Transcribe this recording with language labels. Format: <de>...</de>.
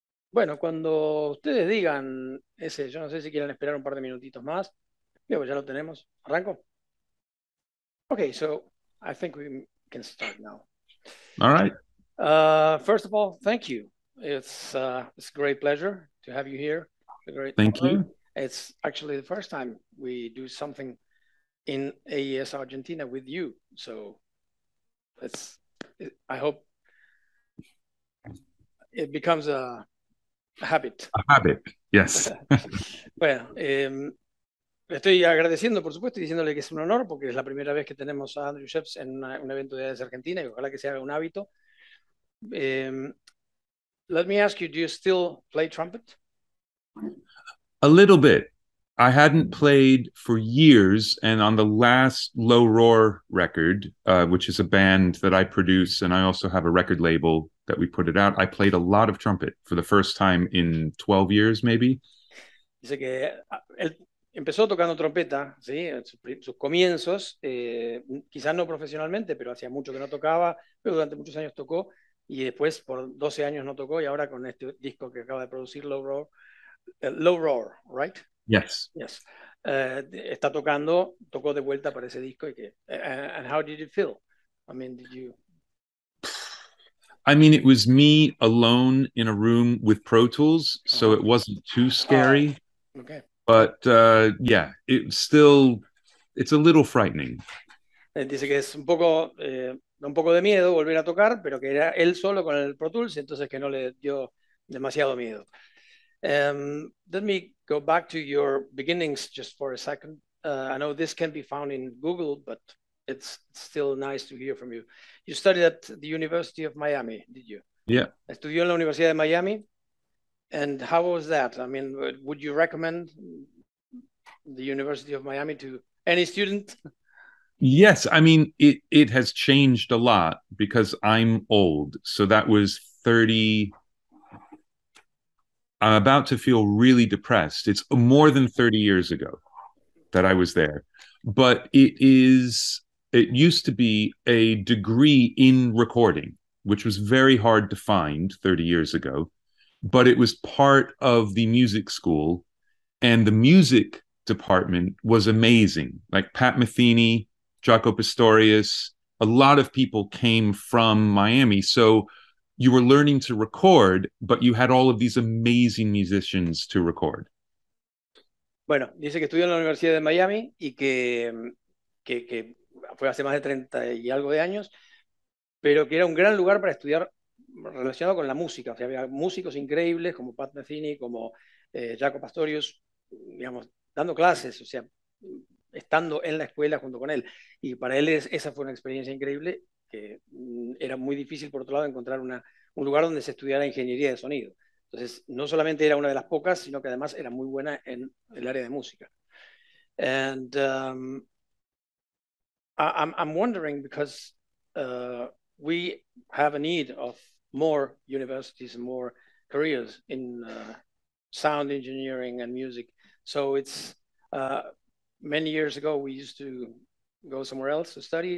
<es>bueno, cuando ustedes digan ese, yo no sé si quieren esperar un par de minutitos más. Pero ya lo tenemos. ¿Arranco?</es> <en>Okay, so I think we can start now. All right. First of all, thank you. It's a great pleasure to have you here. A great Thank honor. you. It's actually the first time we do something in AES Argentina with you. So I hope it becomes a habit. Habit, yes.</en> <es>Bueno, le estoy agradeciendo, por supuesto, y diciéndole que es un honor porque es la primera vez que tenemos a Andrew Scheps en un evento de AES Argentina y ojalá que se haga un hábito.</es> <en>Let me ask you, do you still play trumpet? A little bit. I hadn't played for years, and on the last Low Roar record, which is a band that I produce, and I also have a record label that we put it out, I played a lot of trumpet for the first time in 12 years, maybe.</en> <es>Dice que él empezó tocando trompeta, ¿sí? En sus comienzos, quizás no profesionalmente, pero hacía mucho que no tocaba, pero durante muchos años tocó y después por 12 años no tocó y ahora con este disco que acaba de producir Low Roar, right?</es> <en>Yes. Yes.</en> <es>Está tocando, tocó de vuelta para ese disco y que.</es> <en>And how did you feel? I mean, did you. I mean, it was me alone in a room with Pro Tools, so it wasn't too scary. Okay. But yeah, it's a little frightening.</en> <es>Dice que es un poco de miedo volver a tocar, pero que era él solo con el Pro Tools, entonces que no le dio demasiado miedo.</es> <en>Let me go back to your beginnings just for a second. I know this can be found in Google, but it's still nice to hear from you. You studied at the University of Miami, did you? Yeah.</en> <es>Estudió en la Universidad de Miami.</es> <en>And how was that? I mean, would you recommend the University of Miami to any student? Yes, I mean it has changed a lot because I'm old. So that was 30. I'm about to feel really depressed. It's more than 30 years ago that I was there. But it used to be a degree in recording, which was very hard to find 30 years ago, but it was part of the music school, and the music department was amazing. Like Pat Metheny, Jaco Pistorius, a lot of people came from Miami. So you were learning to record, but you had all of these amazing musicians to record.</en> <es>Bueno, dice que estudió en la Universidad de Miami y que fue hace más de 30 y algo de años, pero que era un gran lugar para estudiar relacionado con la música. O sea, había músicos increíbles como Pat Metheny, como Jaco Pastorius, digamos, dando clases, o sea, estando en la escuela junto con él. Y para él esa fue una experiencia increíble, que era muy difícil, por otro lado, encontrar un lugar donde se estudiara ingeniería de sonido. Entonces, no solamente era una de las pocas, sino que además era muy buena en el área de música.</es> <en>And I'm wondering, because we have a need of more universities, more careers in sound engineering and music. So it's many years ago, we used to go somewhere else to study.</en>